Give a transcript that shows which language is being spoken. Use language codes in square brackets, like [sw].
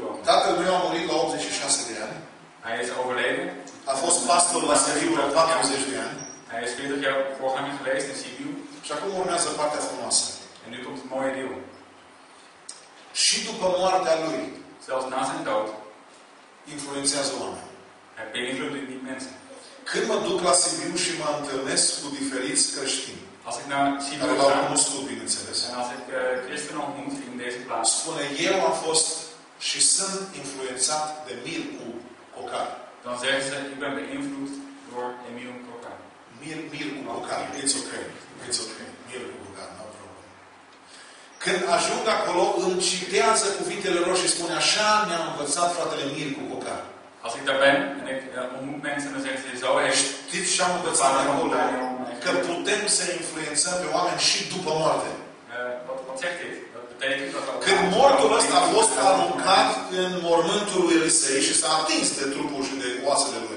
[ro] Tatăl meu a murit la 86 de ani. [nl] Hij is overleden. [ro] A fost pastor la Sibiu la 40 de ani. [nl] Hij is 40 jaar voorganger geweest in Sibiu. [ro] Și acum urmează partea frumoasă. [nl] En nu komt het mooie deel. [ro] Și după moartea lui. [nl] Zelfs na zijn dood. [ro] Influențează oameni. [nl] Hij beïnvloedt niet mensen. [ro] Când mă duc la Sibiu și mă întâlnesc cu diferiți creștini. [nl] Als ik naar Sibiu ga. [ro] Dar nu scot, bineînțeles. [nl] En als ik christen ontmoet in deze plaats. [ro] Spune, eu am fost și sunt influențat de Mircu. [nl] Dan zeggen ze, ik ben beïnvloed door Emil Kokar. [en] Mir Kokar, it's okay. It's okay. Mir Kokar, no problem. [ro] Când ajung acolo, îmi citează cuvintele lor și spune, așa mi-a învățat fratele Mircu Kokar. [nl] Als ik daar ben, en ik ontmoet mensen, dan zeggen ze, zo heeft [ro] dit și-a învățat acolo, că putem să influențăm pe oameni și după moarte. [nl] Wat zegt dit? [ro] Când mortul ăsta a fost aruncat în mormântul lui Elisei și s-a atins de trupul și de oasele lui